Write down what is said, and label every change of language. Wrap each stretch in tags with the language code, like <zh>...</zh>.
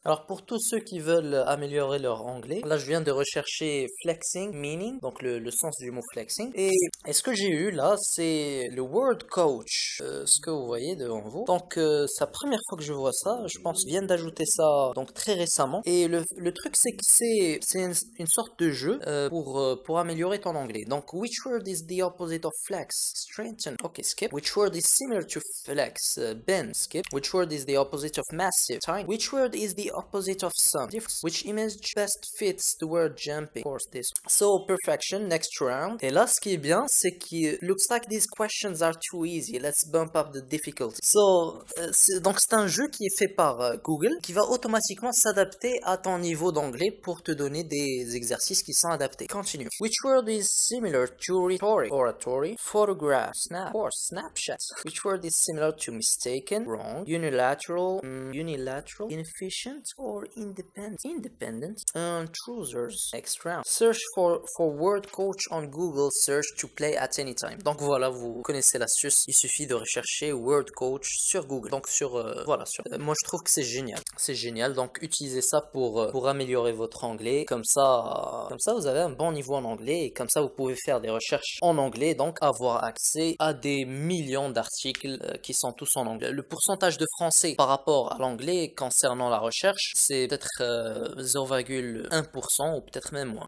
<fr>Alors, pour tous ceux qui veulent améliorer leur anglais, là, je viens de rechercher</fr> <en>flexing, meaning,</en> <fr>donc le sens du mot flexing. Et ce que j'ai eu là, c'est le word coach, ce que vous voyez devant vous. Donc, c'est la première fois que je vois ça. Je pense qu'ils viennent d'ajouter ça, donc très récemment. Et le truc, c'est que c'est une sorte de jeu pour améliorer ton anglais.</fr> <en>Donc, which word is the opposite of flex? Strengthen. Ok, skip. Which word is similar to flex? Bend. Skip. Which word is the opposite of massive? Time. Which word is the opposite of some difference. Which image best fits the word jumping? Of course, this. So, perfection, next round.</en> <fr>Et là, ce qui est bien, c'est que</fr> <en>looks like these questions are too easy. Let's bump up the difficulty.</en> <fr>Donc c'est un jeu qui est fait par Google, qui va automatiquement s'adapter à ton niveau d'anglais pour te donner des exercices qui sont adaptés.</fr> <en>Continue. Which word is similar to rhetoric? Oratory. Photograph. Snap. Of course, Snapchat. Which word is similar to mistaken? Wrong. Unilateral. Unilateral. Inefficient. Or independent, independent, choosers, next round, search for word coach on Google, search to play at any time.</en> <fr>Donc voilà, vous connaissez l'astuce, il suffit de rechercher word coach sur Google. Donc sur, voilà, sur, moi je trouve que c'est génial, donc utilisez ça pour améliorer votre anglais, comme ça vous avez un bon niveau en anglais, et comme ça vous pouvez faire des recherches en anglais, donc avoir accès à des millions d'articles qui sont tous en anglais. Le pourcentage de français par rapport à l'anglais concernant la recherche, c'est peut-être 0,1% ou peut-être même moins.</fr>